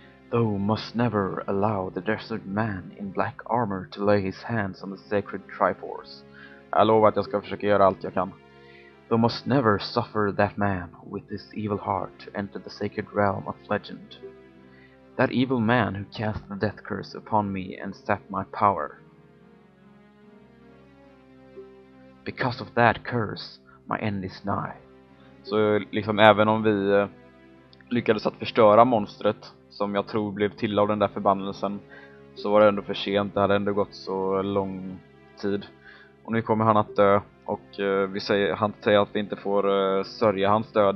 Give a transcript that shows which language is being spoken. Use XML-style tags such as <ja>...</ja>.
<en>Thou must never allow the desert man in black armor to lay his hands on the sacred Triforce.</en> <sv>Jag lovar att jag ska försöka göra allt jag kan.</sv> <en>Thou must never suffer that man with his evil heart to enter the sacred realm of legend. That evil man who cast the death curse upon me and sapped my power. Because of that curse, my end is nigh.</en> <sv>Så liksom även om vi lyckades att förstöra monstret, som jag tror blev till av den där förbannelsen, så var det ändå för sent. Det hade ändå gått så lång tid. Och nu kommer han att dö. Och han säger att vi inte får sörja hans död.</sv>